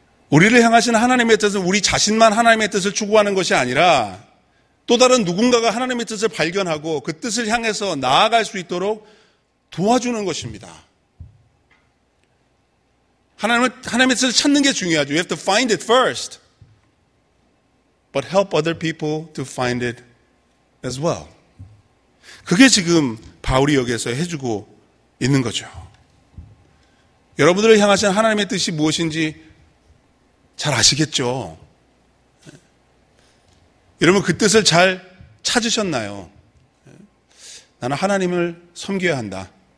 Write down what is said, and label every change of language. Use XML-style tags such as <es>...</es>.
<ko>우리를 향하신 하나님의 뜻은 우리 자신만 하나님의 뜻을 추구하는 것이 아니라 또 다른 누군가가 하나님의 뜻을 발견하고 그 뜻을 향해서 나아갈 수 있도록 도와주는 것입니다. 하나님의 뜻을 찾는 게 중요하죠.</ko> <en>You have to find it first. But help other people to find it as well.</en> <ko>그게 지금 바울이 여기에서 해주고 있는 거죠. 여러분들을 향하신 하나님의 뜻이 무엇인지 잘 아시겠죠? 여러분 그 뜻을 잘 찾으셨나요? 나는 하나님을 섬겨야 한다.</ko>